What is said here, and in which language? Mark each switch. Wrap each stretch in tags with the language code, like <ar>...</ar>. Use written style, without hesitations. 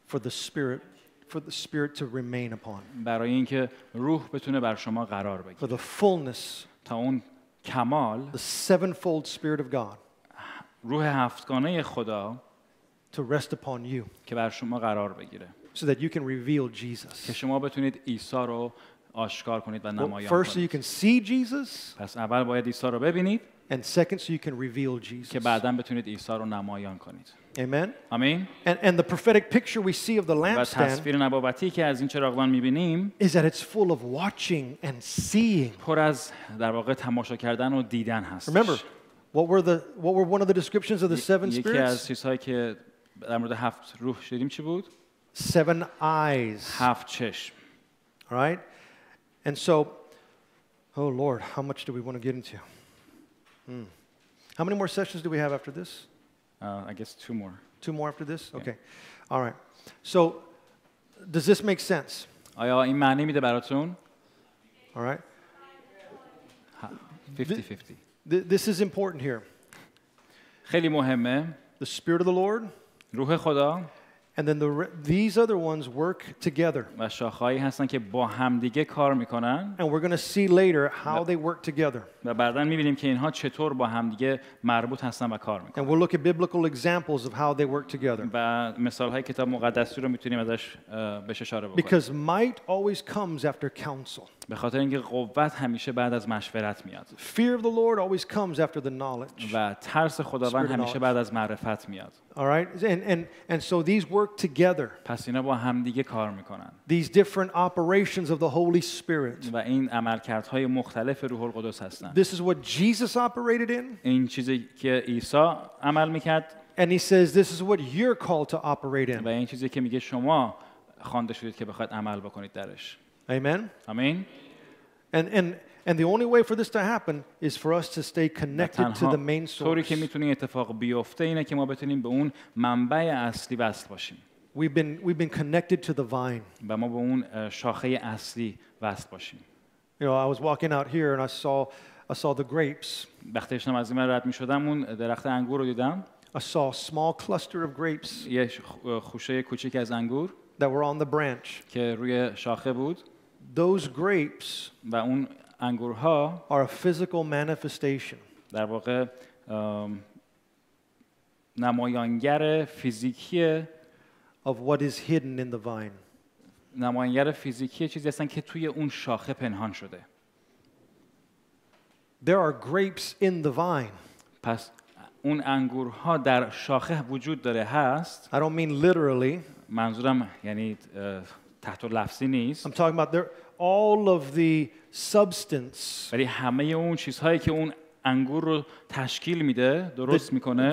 <en>For the spirit to remain upon.</en> <fa>برای اینکه روح بتونه بر شما قرار بگیره.</fa> <en>For the fullness.</en> <fa>تا اون کمال.</fa> <en>The sevenfold spirit of God.</en> <fa>روح هفتگانه خدا.</fa> <en>To rest upon you.</en> <fa>که بر شما قرار بگیره.</fa> <en>So that you can reveal Jesus.</en> <fa>که شما بتونید عیسی رو آشکار کنید و نمایان کنید.</fa> <en>First, you can see Jesus.</en> <fa>پس اول باید عیسی رو ببینید.</fa> <en>And second, so you can reveal Jesus.</en> <fa>که بعداً بتونید عیسی رو نمایان کنید.</fa> <en>Amen. Amen. And the prophetic picture we see of the lampstand.</en> <fa>و تصویر نبوتی که از این چراغدان می‌بینیم.</fa> <en>Is that it's full of watching and seeing.</en> <fa>پر از در واقع تماشا کردن و دیدن هست.</fa> <en>Remember, what were one of the descriptions of the seven spirits?</en> <fa>یکی از چیزهایی که در مورد هفت روح شدیم چی بود؟</fa> <en>Seven eyes.</en> <fa>هفت چشم.</fa> <en>All right. And so, oh Lord, how much do we want to get into? How many more sessions do we have after this? I guess two more. Two more after this? Okay. Yeah. All right. So, does this make sense?</en> <fa>آیا این معنی میده براتون?</fa> <en>All right. 50-50. This is important here.</en> <fa>خیلی مهمه.</fa> <en>The Spirit of the Lord.</en> <fa>روح خدا.</fa> <en>And then these other ones work together.</en> <fa>و شاخه‌هایی هستن که با همدیگه کار میکنن.</fa> <en>And we're going to see later how they work together.</en> <fa>و بعداً می‌بینیم که اینها چطور با همدیگه مربوط هستن و کار میکنن.</fa> <en>And we'll look at biblical examples of how they work together.</en> <fa>و مثال‌های کتاب مقدس رو می‌تونیم ازش بهش اشاره بکنیم.</fa> <en>Because might always comes after counsel.</en> <fa>به خاطر اینکه قوت همیشه بعد از مشورت میاد.</fa> <en>Fear of the Lord always comes after the knowledge.</en> <fa>و ترس خداوند همیشه بعد از معرفت میاد.</fa> <en>All right, and so these work together.</en> <fa>پس اینا با هم دیگه کار میکنن.</fa> <en>These different operations of the Holy Spirit.</en> <fa>و این عملکردهای مختلف روح القدس هستن.</fa> <en>This is what Jesus operated in.</en> <fa>این چیزی که عیسی عمل میکرد.</fa> <en>And he says this is what you're called to operate in.</en> <fa>و این چیزی که میگه شما خوانده شدید که بخواید عمل بکنید درش.</fa> <en>Amen. Amen. And the only way for this to happen is for us to stay connected to the main source.</en> <fa>طوری که میتونه اتفاق بیفته اینه که ما بتونیم به اون منبع اصلی وصل باشیم.</fa> <en>We've been connected to the vine.</en> <fa>و ما به اون شاخه اصلی وصل باشیم.</fa> <en>You know, I was walking out here and I saw the grapes.</en> <fa>وقتی داشتم از این ور رد می‌شدم اون درخت انگور رو دیدم.</fa> <en>I saw a small cluster of grapes.</en> <fa>یه خوشه کوچک از انگور.</fa> <en>That were on the branch.</en> <fa>که روی شاخه بود.</fa> <en>Those grapes.</en> <fa>و اون انگورها.</fa> <en>Are a physical manifestation.</en> <fa>در واقع نمایانگر فیزیکی.</fa> <en>Of what is hidden in the vine.</en> <fa>نمایانگر فیزیکی چیزی هستن که توی اون شاخه پنهان شده.</fa> <en>There are grapes in the vine.</en> <fa>پس اون انگورها در شاخه وجود داره هست.</fa> <en>I don't mean literally.</en> <fa>منظورم یعنی تحت لفظی نیست.</fa> <en>I'm talking about there all of the substance.</en> <fa>ولی همه اون چیزهایی که اون انگور رو تشکیل میده، درست میکنه.</fa>